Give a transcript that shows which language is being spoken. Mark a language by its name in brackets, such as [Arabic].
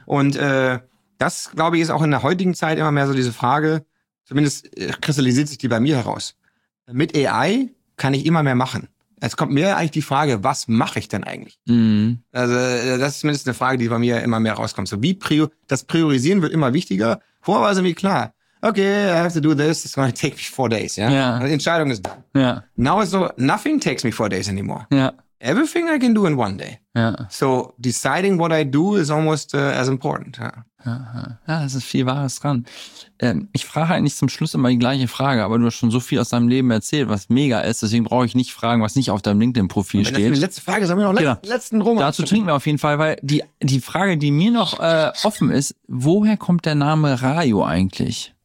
[German] Und das, glaube ich, ist auch in der heutigen Zeit immer mehr so diese Frage, zumindest kristallisiert sich die bei mir heraus. Mit AI kann ich immer mehr machen. Es kommt mir eigentlich die Frage, was mache ich denn eigentlich? Mhm. Also das ist zumindest eine Frage, die bei mir immer mehr rauskommt. So, das Priorisieren wird immer wichtiger. Vorher war es irgendwie klar. [English] Okay, I have to do this, it's gonna take me 4 days, ja? Yeah? [German] Yeah. Entscheidung ist done. [English] Yeah. Now it's so, nothing takes me 4 days anymore. Yeah. Everything I can do in one day. Yeah. So, deciding what I do is almost as important. Yeah. [German] Ja, es ist viel Wahres dran. Ich frage eigentlich zum Schluss immer die gleiche Frage, aber du hast schon so viel aus deinem Leben erzählt, was mega ist, deswegen brauche ich nicht fragen, was nicht auf deinem LinkedIn-Profil steht. Die letzte Frage, sagen wir noch letzten Roman. Dazu trinken wir auf jeden Fall, weil die Frage, die mir noch offen ist, woher kommt der Name Rajo eigentlich?